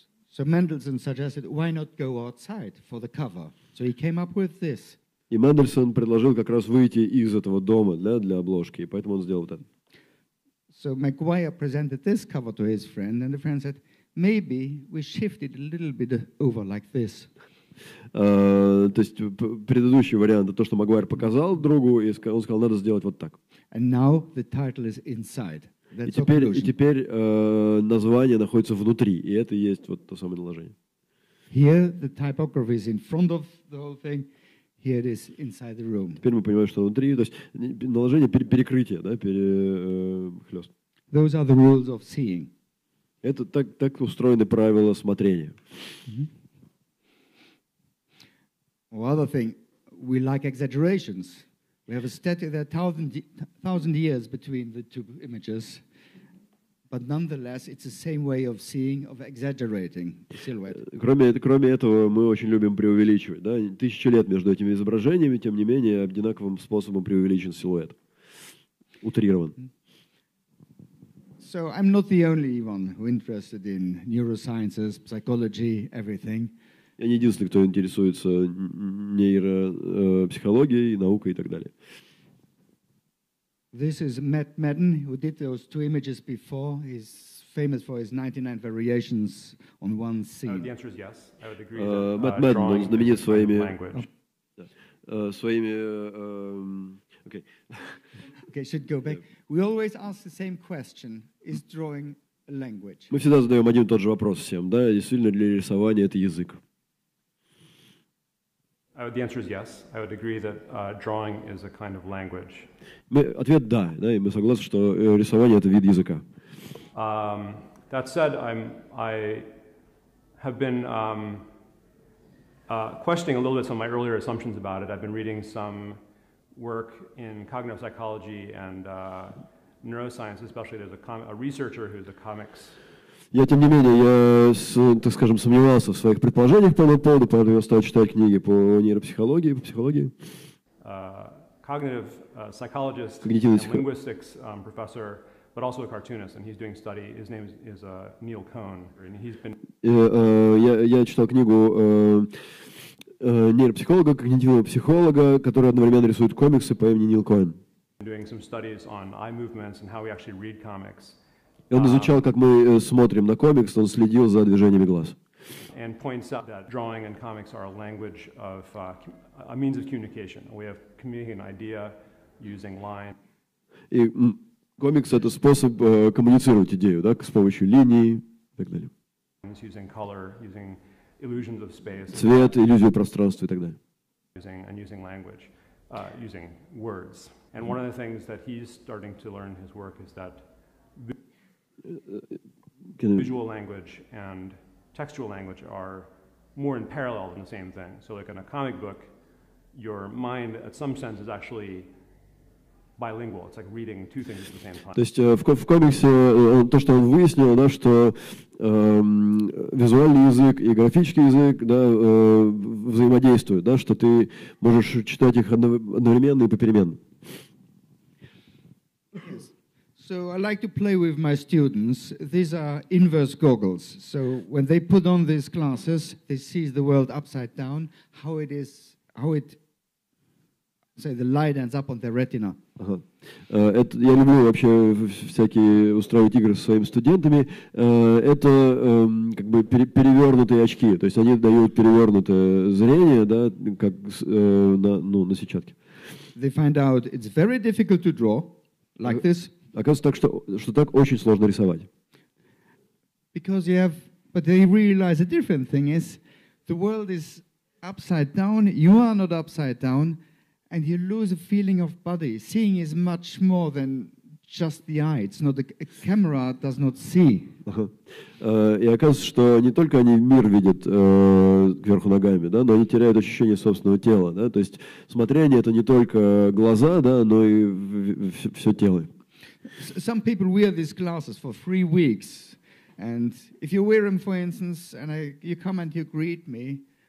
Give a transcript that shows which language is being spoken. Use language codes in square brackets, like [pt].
[en] So Mendelssohn suggested, why not go outside for the cover? So he came up with this. [ru] И Мендельсон предложил как раз выйти из этого дома для обложки, и поэтому он сделал это. [en] So McGuire presented this cover to his friend, and the friend said, maybe we shift it a little bit over like this. [ru] То есть предыдущий вариант, то, что Магуайр показал другу, и он сказал, надо сделать вот так. [en] And now the title is inside. That's [ru] И теперь название находится внутри, и это и есть вот то самое наложение. [en] Here the typography is in front of the whole thing. Here it is inside the room. [ru] Теперь мы понимаем, что внутри, то есть наложение перекрытия, да, перехлёст. [en] Those are the rules of seeing. [ru] Это так, так устроены правила смотрения. Mm-hmm. [en] Another thing, we like exaggerations. We have a statue that thousand years between the two images, but nonetheless, it's the same way of seeing, of exaggerating the silhouette. [ru] Кроме этого, мы очень любим преувеличивать, да? Тысячи лет между этими изображениями, тем не менее, одинаковым способом преувеличен силуэт, утрирован. [en] So I'm not the only one who interested in neurosciences, psychology, everything. [ru] Я не единственный, кто интересуется нейропсихологией, наукой и так далее. [en] This is Matt Madden, who did those two images before. He's famous for his 99 variations on one scene. The answer is yes. I would agree. [ru] Matt Madden, он знаменит своими Okay. [en] Okay, should go back. We always ask the same question: Is drawing a language? Мы всегда задаем один и тот же вопрос всем, да? Действительно ли рисование это язык? The answer is yes. I would agree that drawing is a kind of language. [ru] Ответ да, да, и мы согласны, что рисование это вид языка. [en] That said, I have been questioning a little bit some of my earlier assumptions about it. I've been reading some work in cognitive psychology and neuroscience, especially there's a researcher who's a comics. [ru] Я, тем не менее, я, так скажем, сомневался в своих предположениях по этому поводу, поэтому я стал читать книги по нейропсихологии, по психологии. [en] Cognitive psychologist and linguistics professor, but also a cartoonist, and he's doing study. His name is Neil Cohn, and he's been. [ru] Я читал книгу нейропсихолога, когнитивного психолога, который одновременно рисует комиксы по имени Нил Коэн. [en] Doing some studies on eye movements and how we actually read comics. [ru] Он изучал, как мы смотрим на комикс, он следил за движениями глаз. [en] And points out that drawing and comics are a language of a means of communication. We have communicating an idea using line. [ru] И комикс это способ коммуницировать идею, да, с помощью линий и так далее. [en] Using color, using illusions of space. [ru] Цвет, иллюзию пространства и так далее. [en] Using language, using words. And one of the things that he's starting to learn in his work is that visual language and textual language are more in parallel than the same thing. So like in a comic book, your mind at some sense is actually bilingual. It's like reading two things at the same time. [ru] То есть в комиксе то, что он выяснил, да, что визуальный язык и графический язык, да, взаимодействуют, да, что ты можешь читать их одновременно и попеременно. [en] So I like to play with my students. These are inverse goggles. So when they put on these glasses, they see the world upside down. How it is, the light ends up on their retina. [ru] Это я люблю вообще всякие устраивать игры со своими студентами. Это как бы перевернутые очки. То есть они дают перевернутое зрение, да, как на сетчатке. [en] They find out it's very difficult to draw like this. [ru] Оказывается так, что так очень сложно рисовать. [en] Because you have, but they realize a different thing is, the world is upside down, you are not upside down, and you lose a feeling of body. Seeing is much more than just the eye. It's not a camera does not see. [ru] И оказывается, что не только они мир видят кверху ногами, да, но они теряют ощущение собственного тела. Да? То есть смотрение это не только глаза, да, но и все тело. [en] Some people wear these glasses for 3 weeks, and if you wear them, for instance, and you come and you greet me,